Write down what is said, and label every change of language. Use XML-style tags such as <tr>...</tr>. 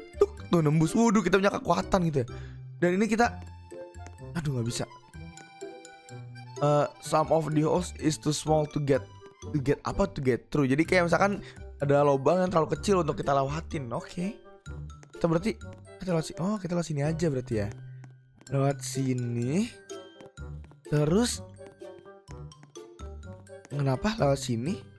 <id>Tuh nembus, wuduh, kita punya kekuatan gitu ya. Dan ini kita, aduh gak bisa.</id> <en>Some of the holes is too small to get. To get</en> <id>apa?</id> <en>To get through.</en> <id>Jadi kayak misalkan ada lubang yang terlalu kecil untuk kita lewatin. Oke. Kita berarti kita lewat sini aja berarti ya. Lewat sini. Terus kenapa lewat sini?</id>